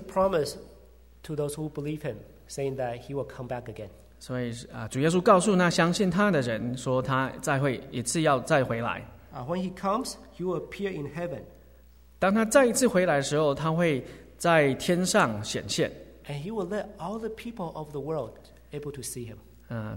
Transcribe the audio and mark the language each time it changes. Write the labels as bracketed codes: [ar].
[en] promised to those who believe him, saying that he will come back again. [zh] 所以主耶稣告诉那相信他的人说他再会一次要再回来。When [en] he comes, he will appear in heaven. [zh] 当他再一次回来的时候，他会在天上显现。And [en] he will let all the people of the world able to see him.